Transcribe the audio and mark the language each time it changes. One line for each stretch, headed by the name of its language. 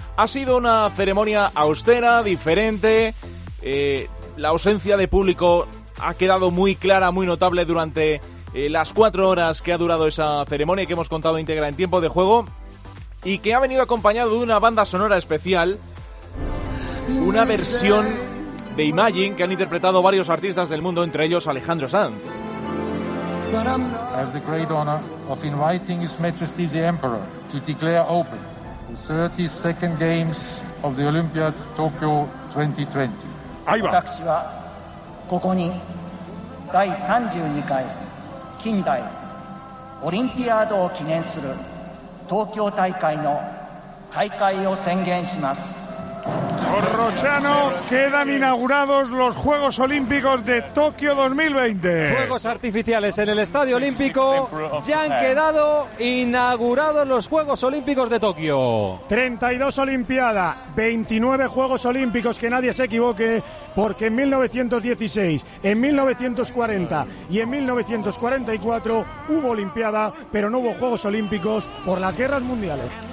Spanish: Ha sido una ceremonia austera, diferente. La ausencia de público ha quedado muy clara, muy notable durante las cuatro horas que ha durado esa ceremonia que hemos contado íntegra en tiempo de juego y que ha venido acompañado de una banda sonora especial. Una versión de Imagine que han interpretado varios artistas del mundo, entre ellos Alejandro Sanz.
English: I have the great honor of inviting His Majesty the Emperor to declare open the 32nd Games of the Olympiad Tokyo 2020.
Japanese: 私はここに第32回近代オリンピアードを記念する東京大会の開会を宣言します。
Spanish: Corrochano, quedan inaugurados los Juegos Olímpicos de Tokio 2020. Juegos artificiales en el Estadio Olímpico. Ya han quedado inaugurados los Juegos Olímpicos de Tokio. 32 Olimpiadas, 29 Juegos Olímpicos, que nadie se equivoque, porque en 1916, en 1940 y en 1944 hubo Olimpiada, pero no hubo Juegos Olímpicos por las guerras mundiales.